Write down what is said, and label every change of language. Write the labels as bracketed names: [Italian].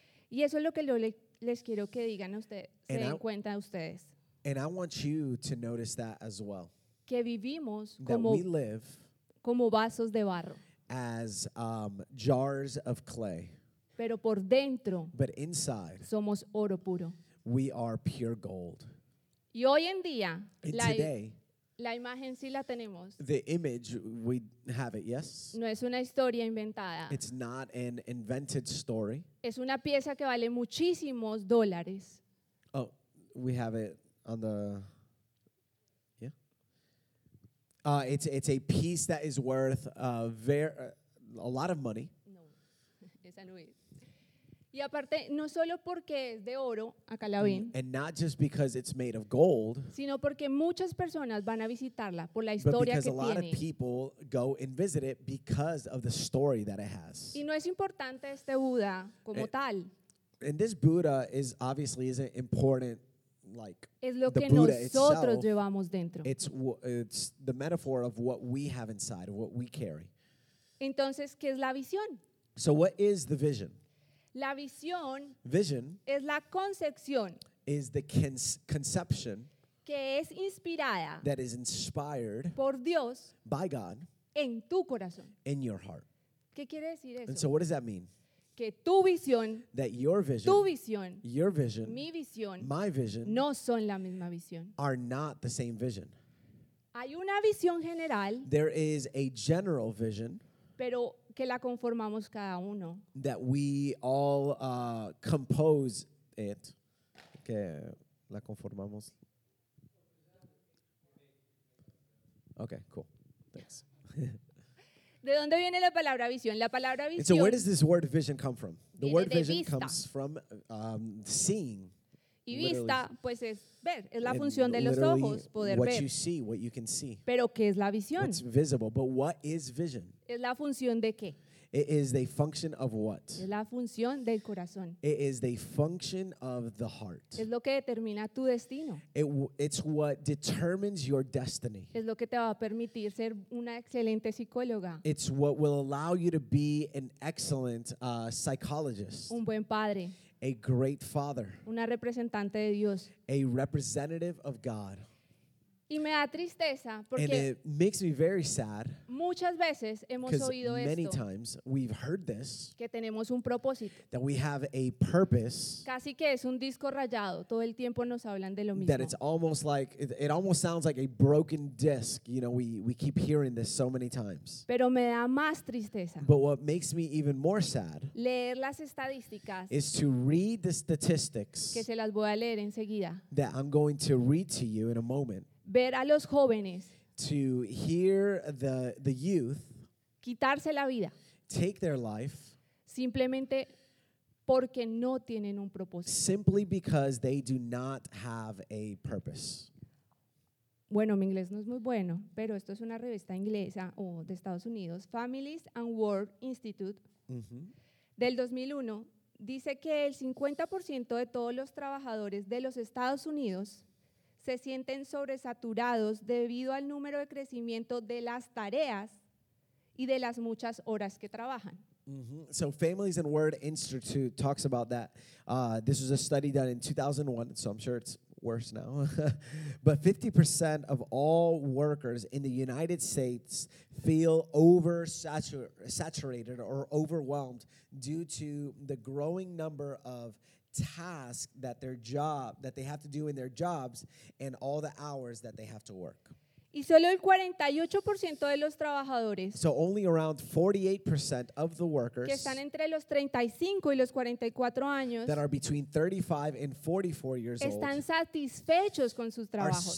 [Spanish] Y eso es lo que yo les quiero que digan a ustedes, se den cuenta a ustedes. [English] And I want you to notice that as well. [Spanish] Que vivimos como, [English] that we live [Spanish] como vasos de barro. [English] As jars of clay. [Spanish] Pero por dentro, [English] but inside, [Spanish] somos oro puro. [English] We are pure gold. [Spanish] Y hoy en día, [English] and today, [Spanish] la imagen sí la tenemos. [English] The image, we have it, yes? [Spanish] No es una historia inventada. [English] It's not an invented story. [Spanish] Es una pieza que vale muchísimos dólares. [English] Oh, we have it. On the, yeah. It's a piece that is worth a lot of money. [Spanish] No, esa no es. Y aparte, no solo porque es de oro, acá la ven. [English] And not just because it's made of gold. [Spanish] Sino porque muchas personas van a visitarla por la historia que tiene. [English] But because a lot of people go and visit it because of the story that it has. [Spanish] Y no es importante este Buda como tal. [English] And this Buddha is obviously isn't important. Like [Spanish] es lo que nosotros llevamos dentro. [English] It's the metaphor of what we have inside, what we carry. [Spanish] Entonces, ¿qué es la visión? [English] So what is the vision? [Spanish] La visión [English] vision [Spanish] es la concepción [English] is the conception [Spanish] que es inspirada [English] that is inspired [Spanish] por Dios [English] by God [Spanish] en tu corazón. [English] In your heart. [Spanish] ¿Qué quiere decir eso? [English] And so what does that mean? [Spanish] Que tu visión, [English] that your vision, [Spanish] tu visión, [English] your vision, [Spanish] mi visión, [English] my vision, [Spanish] no son la misma visión. [English] Are not the same vision. [Spanish] Hay una visión general, [English] there is a general vision, [Spanish] pero que la conformamos cada uno. [English] That we all compose it. [Spanish] Que la conformamos. [English] Okay, cool. Thanks. [Spanish] ¿De dónde viene la palabra visión? La palabra visión. [English] And so where does this word vision come from? The word vision comes from seeing. [Spanish] Y vista, [English] literally. [Spanish] Pues es ver, es la and función de los ojos, poder [English] what [Spanish] ver. [English] You see, what you can see. [Spanish] Pero ¿qué es la visión? [English] It's visible, but what is vision? [Spanish] ¿Es la función de qué? [English] It is the function of what? [Spanish] Es la función del corazón. [English] It is the function of the heart. [Spanish] Es lo que determina tu destino. [English] It's what determines your destiny. [Spanish] Es lo que te va a permitir ser una excelente psicóloga. [English] It's what will allow you to be an excellent psychologist. [Spanish] Un buen padre. [English] A great father. [Spanish] Una representante de Dios. [English] A representative of God. [Spanish] Y me da tristeza porque [English] and it makes me very sad [Spanish] muchas veces hemos oído [English] many [Spanish] esto, [English] times we've heard this [Spanish] que tenemos un propósito, [English] that we have a purpose [Spanish] casi que es un disco rayado, todo el tiempo nos hablan de lo mismo. [English] That it's almost like it almost sounds like a broken disc, you know, we keep hearing this so many times. [Spanish] Pero me da más tristeza, [English] but what makes me even more sad [Spanish] leer las estadísticas, [English] is to read the statistics [Spanish] que se las voy a leer enseguida, [English] that I'm going to read to you in a moment. [Spanish] Ver a los jóvenes, [English] to hear the youth [Spanish] quitarse la vida, [English] take their life [Spanish] simplemente porque no tienen un propósito. [English] Simply because they do not have a purpose. [Spanish] Bueno, mi inglés no es muy bueno, pero esto es una revista inglesa o de Estados Unidos, Families and World Institute, mm-hmm, del 2001, dice que el 50% de todos los trabajadores de los Estados Unidos se sienten sobresaturados debido al número de crecimiento de las tareas y de las muchas horas que trabajan. Mm-hmm. [English] So Families and Word Institute talks about that. This was a study done in 2001, so I'm sure it's worse now. But 50% of all workers in the United States feel oversaturated or overwhelmed due to the growing number of task that their job that they have to do in their jobs and all the hours that they have to work. [Spanish] Y solo el 48% de los trabajadores, [English] so only around 48% of the workers [Spanish] que están entre los 35 y los 44 años, [English] that are between 35 and 44 years old [Spanish] están satisfechos con sus trabajos,